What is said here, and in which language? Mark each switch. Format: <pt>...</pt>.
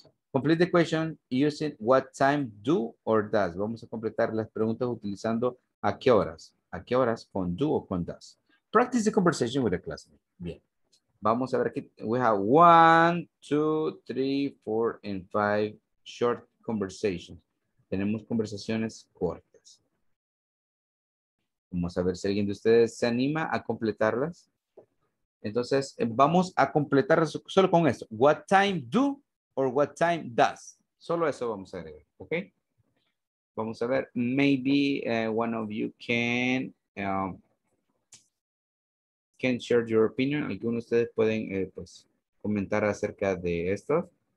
<en>Complete the question using what time do or does.</en> <es>Vamos a completar las preguntas utilizando a qué horas. A qué horas con do o con does.</es> <en>Practice the conversation with the classmate.</en> <es>Bien. Vamos a ver aquí.</es> <en>We have 1, 2, 3, 4, and 5 short conversations.</en> <es>Tenemos conversaciones cortas. Vamos a ver si alguien de ustedes se anima a completarlas. Entonces, vamos a completarlas solo con esto.</es> <en>What time do or what time does?</en> <es>Solo eso vamos a agregar, ¿ok? Vamos a ver,</es> <en>maybe one of you can share your opinion.</en> <es>¿Alguno de ustedes pueden pues, comentar acerca de esto?</es>